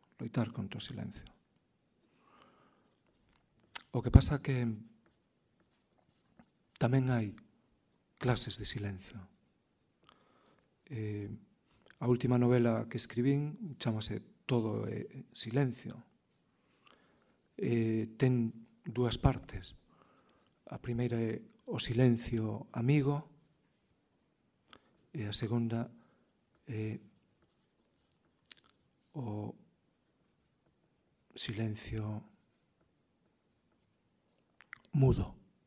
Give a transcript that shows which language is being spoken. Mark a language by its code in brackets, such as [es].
[es] Luchar contra el silencio. Lo que pasa que también hay clases de silencio. [gl] A última novela que escribí, chámase Todo silencio, ten dúas partes. A primeira é o silencio amigo e a segunda é o silencio mudo.